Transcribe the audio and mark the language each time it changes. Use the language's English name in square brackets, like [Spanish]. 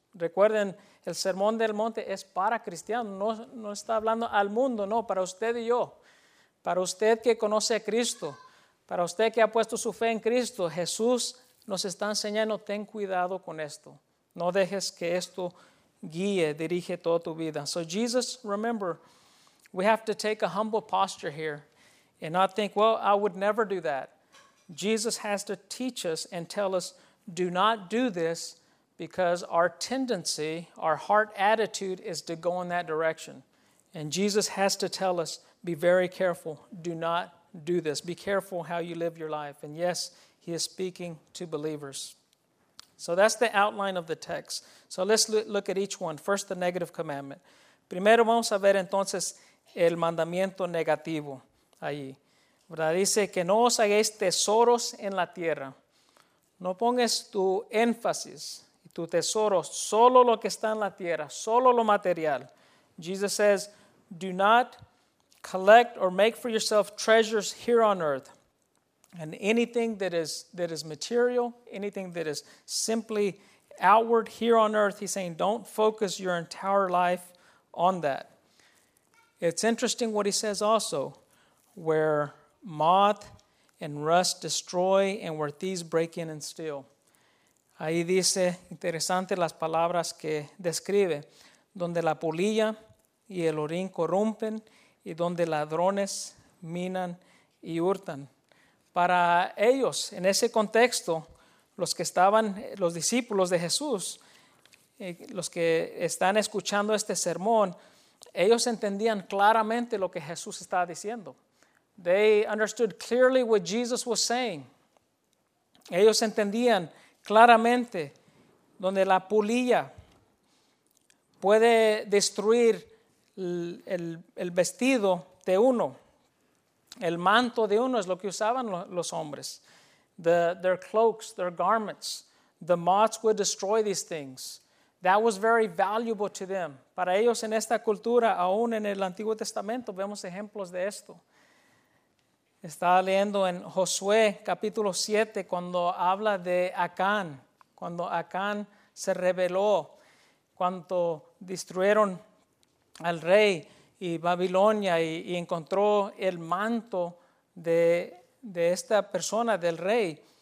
[Spanish] Recuerden, el Sermón del Monte es para cristianos. No está hablando al mundo, no, para usted y yo. Para usted que conoce a Cristo, para usted que ha puesto su fe en Cristo, Jesús nos está enseñando, ten cuidado con esto. No dejes que esto guíe, dirige toda tu vida. [English] So Jesus, remember, we have to take a humble posture here and not think, well, I would never do that. Jesus has to teach us and tell us, do not do this because our tendency, our heart attitude is to go in that direction. And Jesus has to tell us, be very careful. Do not do this. Be careful how you live your life. And yes, he is speaking to believers. So that's the outline of the text. So let's look at each one. First, the negative commandment. [Spanish] Primero vamos a ver entonces el mandamiento negativo ahí. ¿Verdad? Dice que no os hagáis tesoros en la tierra. No pongas tu énfasis, tu tesoro, solo lo que está en la tierra, solo lo material. [English] Jesus says, do not collect or make for yourself treasures here on earth. And anything that is material, anything that is simply outward here on earth, he's saying, don't focus your entire life on that. It's interesting what he says also, where moth and rust destroy and where thieves break in and steal. [Spanish] Ahí dice, interesante las palabras que describe, donde la polilla y el orín corrompen, y donde ladrones minan y hurtan. Para ellos, en ese contexto, los que estaban, los discípulos de Jesús, los que están escuchando este sermón, ellos entendían claramente lo que Jesús estaba diciendo. [English] They understood clearly what Jesus was saying. [Spanish] Ellos entendían claramente donde la polilla puede destruir el vestido de uno. El manto de uno es lo que usaban los hombres. [English] Their cloaks, their garments. The moths would destroy these things. That was very valuable to them. [Spanish] Para ellos en esta cultura, aún en el Antiguo Testamento, vemos ejemplos de esto. Estaba leyendo en Josué capítulo 7 cuando habla de Acán. Cuando Acán se rebeló, cuando destruyeron al rey y Babilonia y encontró el manto de esta persona, del rey.